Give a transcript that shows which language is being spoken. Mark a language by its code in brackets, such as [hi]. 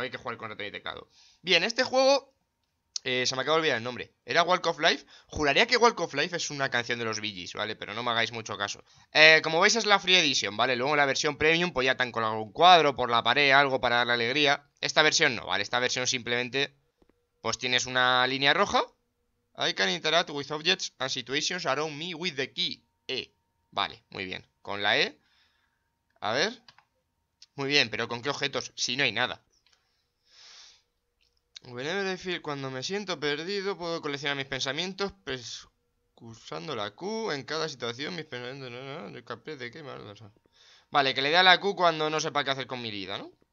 [es] Hay que jugar con ratón y teclado. Bien, este juego... se me acaba de olvidar el nombre. ¿Era Walk of Life? Juraría que Walk of Life es una canción de los Bee Gees, ¿vale? Pero no me hagáis mucho caso. Como veis, es la Free Edition, ¿vale? Luego la versión Premium, pues ya te han colado un cuadro por la pared, algo para darle alegría. Esta versión no, ¿vale? Esta versión simplemente... Pues tienes una línea roja. [en] I can interact with objects and situations around me with the key. [es] Vale, muy bien. Con la E. A ver. Muy bien, pero ¿con qué objetos? Si no hay nada. [en] Whenever I feel, [es] cuando me siento perdido, puedo coleccionar mis pensamientos. Pues, usando la Q en cada situación, mis pensamientos. No, no, no, ¿de qué mal? Vale, que le dé a la Q cuando no sepa qué hacer con mi vida, ¿no?